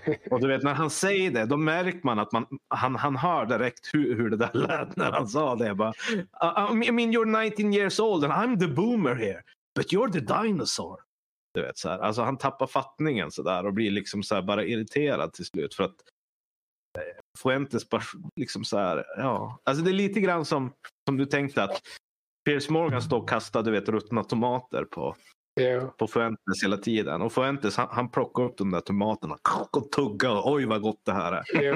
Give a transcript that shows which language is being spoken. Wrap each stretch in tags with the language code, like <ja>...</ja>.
<sv>Och du vet, när han säger det, då märker man att han hör direkt hur det där lät när han sa det. Bara,</sv> <en>I mean, you're 19 years old and I'm the boomer here, but you're the dinosaur.</en> <sv>Du vet, så här. Alltså han tappar fattningen så där och blir liksom så här bara irriterad till slut, för att Fuentes liksom så här, ja, alltså det är lite grann som du tänkte att Piers Morgan står och kastar, du vet, ruttna tomater på Fuentes hela tiden, och Fuentes han plockar upp de där tomaterna och tugga, oj vad gott det här är.</sv>